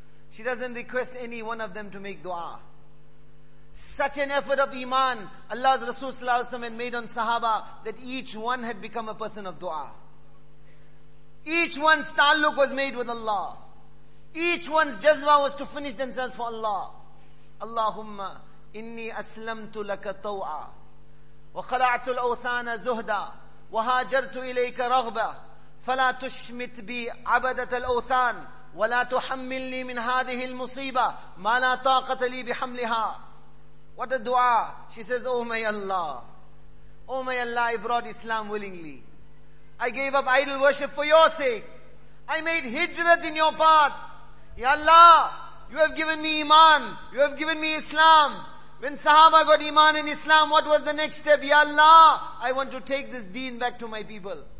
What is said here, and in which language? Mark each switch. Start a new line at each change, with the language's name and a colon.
English: She doesn't request any one of them to make dua. Such an effort of iman Allah's Rasul sallallahu alaihi wasallam had made on sahaba that each one had become a person of dua. Each one's taluk was made with Allah. Each one's jazwa was to finish themselves for Allah.
Arabic: Allahumma inni aslamtu laka taw'a. وخلعت الأوثان زهدا وهاجرت إليك رغبة فلا تشمت بي عبدة الأوثان ولا تحملني من هذه المصيبة ما لا طاقة لي بحملها.
English: What a dua. She says, Oh my Allah. Oh my Allah, I brought Islam willingly. I gave up idol worship for your sake. I made hijrat in your path. Ya Allah, you have given me iman. You have given me Islam. When Sahaba got Iman in Islam, what was the next step? Ya Allah, I want to take this deen back to my people.